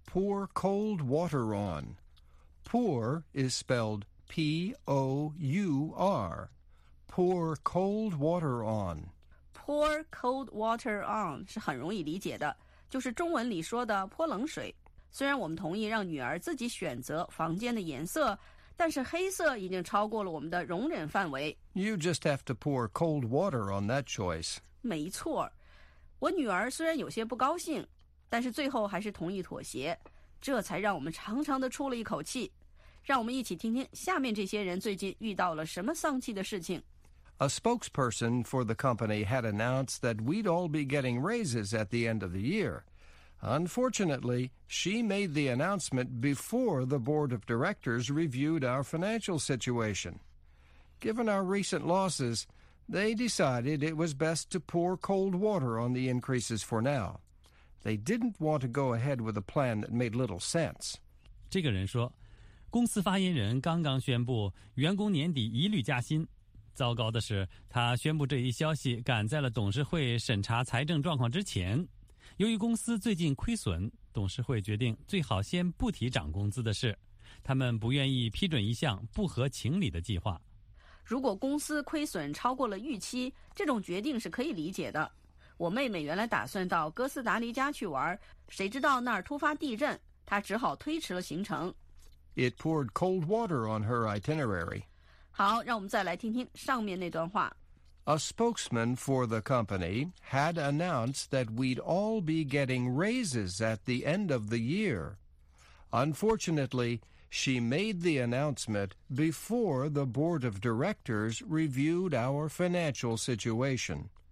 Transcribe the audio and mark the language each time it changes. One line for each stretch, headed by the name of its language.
English: pour cold water on。 Pour is spelled P-O-U-R。 Pour cold water on Pour cold water on
Chinese: 是很容易理解的，就是中文里说的泼冷水。虽然我们同意让女儿自己选择房间的颜色，但是黑色已经超过了我们的容忍范围。
English: You just have to pour cold water on that choice.
Chinese: 没错，我女儿虽然有些不高兴，但是最后还是同意妥协，这才让我们长长的出了一口气。让我们一起听听下面这些人最近遇到了什么丧气的事情。
English: A spokesperson for the company had announced that we'd all be getting raises at the end of the year. Unfortunately, she made the announcement before the board of directors reviewed our financial situation. Given our recent losses, they decided it was best to pour cold water on the increases for now. They didn't want to go ahead with a plan that made little sense.
Chinese: 这个人说，公司发言人刚刚宣布员工年底一律加薪。糟糕的是，他宣布这一消息赶在了董事会审查财政状况之前。由于公司最近亏损，董事会决定最好先不提涨工资的事。他们不愿意批准一项不合情理的计划。如果公司亏损超过了预期，这种决定是可以理解的。我妹妹原来打算到哥斯达黎加去玩，谁知道那儿突发地震，她只好推迟了行程。
English: It poured cold water on her itinerary.
Chinese: 好，让我们再来听听上面那段话。
English: A spokesman for the company had announced that we'd all be getting raises at the end of the year. Unfortunately, she made the announcement before the board of directors reviewed our financial situation.